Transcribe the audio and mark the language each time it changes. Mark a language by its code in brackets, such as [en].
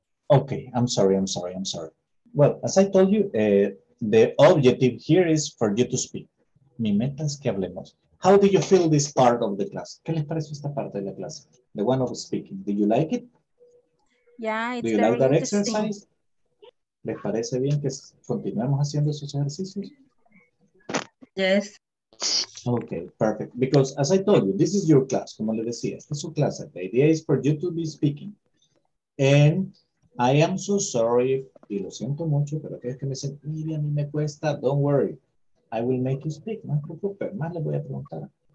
[en] Okay, I'm sorry. Well, as I told you, the objective here is for you to speak. [es] Mi meta es que hablemos. [en] How do you feel this part of the class? [es] ¿Qué les pareció esta parte de la clase? [en] The one of speaking. Did you like it? Yeah, it's very interesting. Do you like that exercise? [es] ¿Les parece bien que continuemos haciendo esos ejercicios? [en] Yes. Okay, perfect. Because as I told you, this is your class. [es] Como le decía, esta es su clase. [en] The idea is for you to be speaking. And I am so sorry, [es] y lo siento mucho, pero que es que me dicen, mire, a mí me cuesta, [en] don't worry, I will make you speak, [es] no se preocupe, más le voy a preguntar.